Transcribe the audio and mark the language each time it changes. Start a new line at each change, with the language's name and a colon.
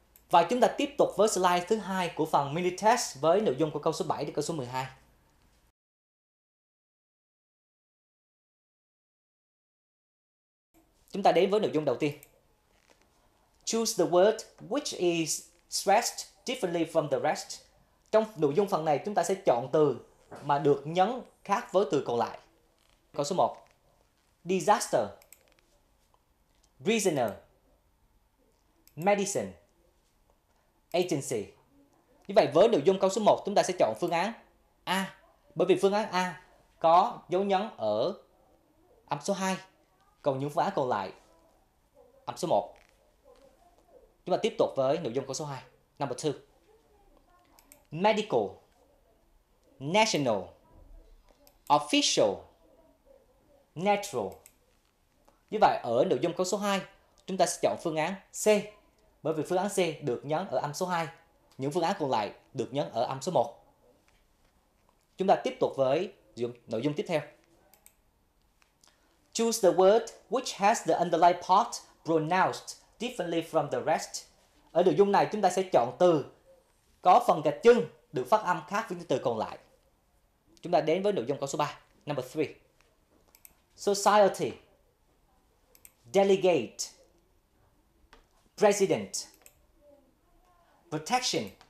Vietnamese: Và chúng ta tiếp tục với slide thứ hai của phần mini test với nội dung của câu số 7 đến câu số 12. Chúng ta đến với nội dung đầu tiên.
English: Choose the word which is stressed differently from the rest.
Vietnamese: Trong nội dung phần này, chúng ta sẽ chọn từ mà được nhấn khác với từ còn lại. Câu số 1.
English: Disaster. Reasoner. Medicine. Agency.
Vietnamese: Như vậy, với nội dung câu số 1, chúng ta sẽ chọn phương án A. Bởi vì phương án A có dấu nhấn ở âm số 2. Còn những phương án còn lại, âm số 1. Chúng ta tiếp tục với nội dung câu số 2.
English: Number 2. Medical. National. Official. Natural.
Vietnamese: Như vậy, ở nội dung câu số 2, chúng ta sẽ chọn phương án C. Bởi vì phương án C được nhấn ở âm số 2. Những phương án còn lại được nhấn ở âm số 1. Chúng ta tiếp tục với nội dung tiếp theo.
English: Choose the word which has the underlying part pronounced differently from the rest.
Vietnamese: Ở nội dung này, chúng ta sẽ chọn từ có phần gạch chân được phát âm khác với những từ còn lại. Chúng ta đến với nội dung câu số 3.
English: Number 3. Society. Delegate. President. Protection.